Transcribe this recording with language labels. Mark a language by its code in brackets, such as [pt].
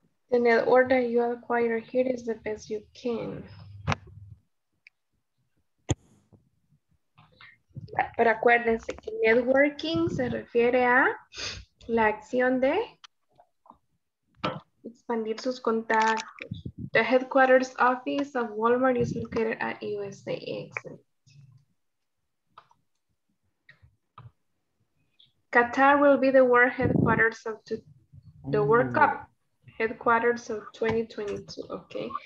[en] The network that you acquire here is the best you can. [es] Pero acuérdense que networking se refiere a la acción de expandir sus contactos. [en] The headquarters office of Walmart is located at USA. Excellent. Qatar will be the world headquarters of the World Cup headquarters of 2022. Okay.